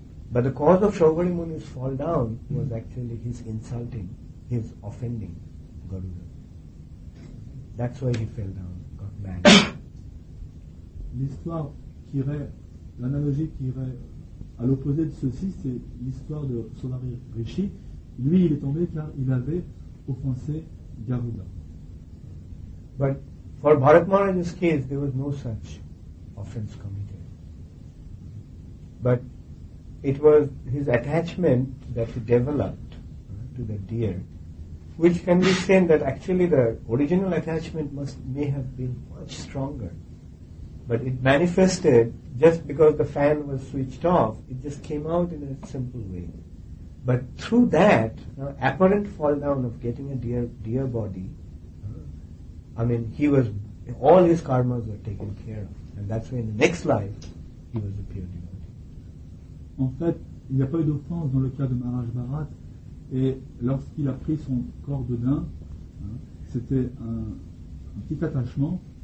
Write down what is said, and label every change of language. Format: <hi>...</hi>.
<en>But the cause of Saubhari Muni's fall down was actually his insulting, his offending Garuda. That's why he fell down, got mad.</en> <fr>L'histoire qui irait, l'analogie qui irait à l'opposé de ceci, c'est l'histoire de Saubhari Rishi. Lui, il est tombé car il avait offensé Garuda.</fr> <en>But for Bharat Maharaj's case, there was no such offense committed. But it was his attachment that he developed to the deer, which can be seen that actually the original attachment may have been much stronger. But it manifested just because the fan was switched off, it just came out in a simple way. But through that, apparent fall down of getting a deer body, I mean, all his karmas were taken care of. And that's why in the next life, he was a pure devotee.</en> <fr>En fait, il n'y a pas eu d'offense dans le cas de Maharaj Bharat. Et lorsqu'il a pris son corps de daim, c'était un petit attachement.</fr>